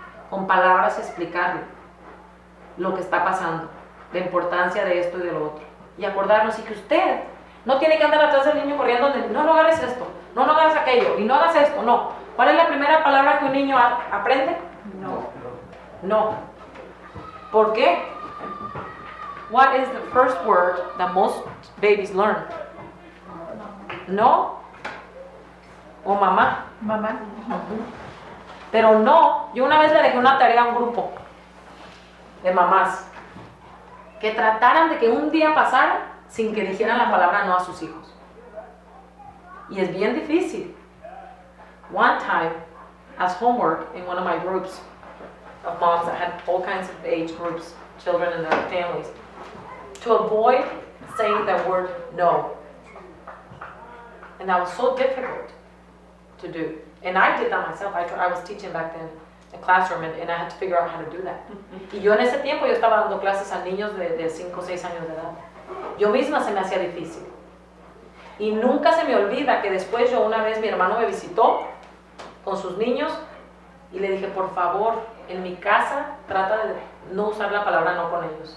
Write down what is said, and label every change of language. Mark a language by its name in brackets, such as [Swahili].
[Spanish] Con palabras explicarle lo que está pasando, la importancia de esto y de lo otro. Y acordarnos, y que usted No tiene que andar atrás del niño corriendo, no, no agarres esto, no, no agarres aquello, y no hagas esto, no. ¿Cuál es la primera palabra que un niño aprende? No. No. ¿Por qué? [English] What is the first word that most babies learn? [Spanish] No. ¿O mamá? Mamá. Pero no, yo una vez le dejé una tarea a un grupo de mamás que trataran de que un día pasara sin que dijeran la palabra no a sus hijos. Y es bien difícil. [English] One time, as homework in one of my groups of moms that had all kinds of age groups, children and their families, to avoid saying that word no. And that was so difficult to do. And I did that myself. I was teaching back then in a classroom, and I had to figure out how to do that. [Spanish] Y yo en ese tiempo yo estaba dando clases a niños de 5 o 6 años de edad. Yo misma se me hacía difícil. Y nunca se me olvida que después yo una vez mi hermano me visitó con sus niños y le dije, por favor, en mi casa trata de no usar la palabra no con ellos.